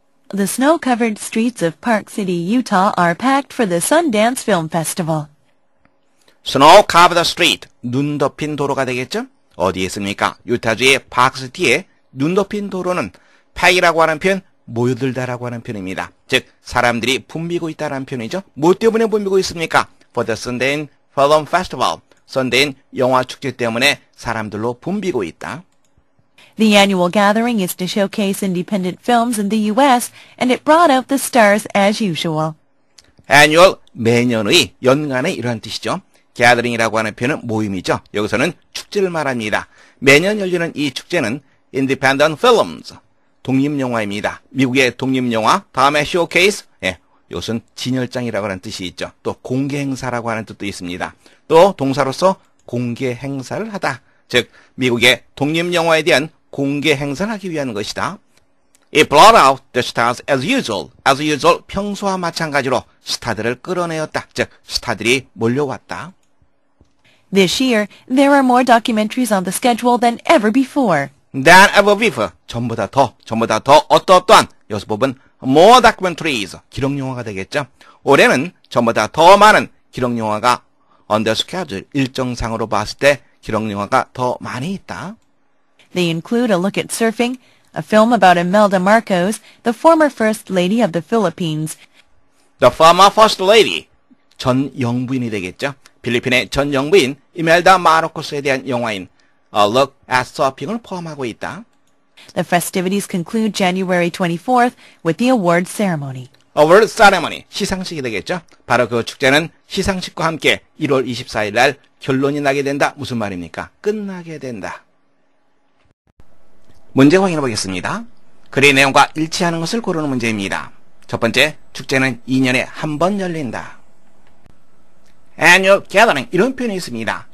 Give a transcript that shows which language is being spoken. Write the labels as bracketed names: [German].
[English] The snow-covered streets of Park City, Utah are packed for the Sundance Film Festival. Snow-covered street, [Korean] 눈 덮인 도로가 되겠죠? 어디에 있습니까? 유타주의 파크시티에 눈 덮인 도로는 팩이라고 하는 표현, 모여들다라고 하는 표현입니다. 즉, 사람들이 붐비고 있다라는 표현이죠. 뭐 때문에 붐비고 있습니까? [English] For the Sundance Film Festival, [Korean] Sundance 영화 축제 때문에 사람들로 붐비고 있다. [English] The annual gathering is to showcase independent films in the U.S., and it brought out the stars as usual. [Korean] Annual, 매년의, 연간의 이러한 뜻이죠. Gathering이라고 하는 표현은 모임이죠. 여기서는 축제를 말합니다. 매년 열리는 이 축제는 independent films, 독립영화입니다. 미국의 독립영화, 다음에 showcase, 예, 이것은 진열장이라고 하는 뜻이 있죠. 또 공개행사라고 하는 뜻도 있습니다. 또 동사로서 공개행사를 하다. 즉, 미국의 독립영화에 대한 공개 행사를 하기 위한 것이다. [English] It brought out the stars as usual. [Korean] As usual, 평소와 마찬가지로 스타들을 끌어내었다. 즉, 스타들이 몰려왔다. [English] This year, there are more documentaries on the schedule than ever before. Than ever before. [Korean] 전보다 더, 어떠어떠한. 여섯 부분, [English] more documentaries. [Korean] 기록영화가 되겠죠. 올해는 전보다 더 많은 기록영화가 [English] on the schedule, [Korean] 일정상으로 봤을 때 기록영화가 더 많이 있다. [English] They include a look at surfing, a film about Imelda Marcos, the former First Lady of the Philippines. The former First Lady, [Korean] 전 영부인이 되겠죠. 필리핀의 전 영부인 이멜다 마르코스에 대한 영화인 A Look at Surfing을 포함하고 있다. [English] The festivities conclude January 24th with the awards ceremony. [Korean] Awards ceremony, 시상식이 되겠죠. 바로 그 축제는 시상식과 함께 1월 24일 날 결론이 나게 된다. 무슨 말입니까? 끝나게 된다. 문제 확인해 보겠습니다. 글의 내용과 일치하는 것을 고르는 문제입니다. 첫 번째, 축제는 2년에 한 번 열린다. Annual gathering, 이런 표현이 있습니다.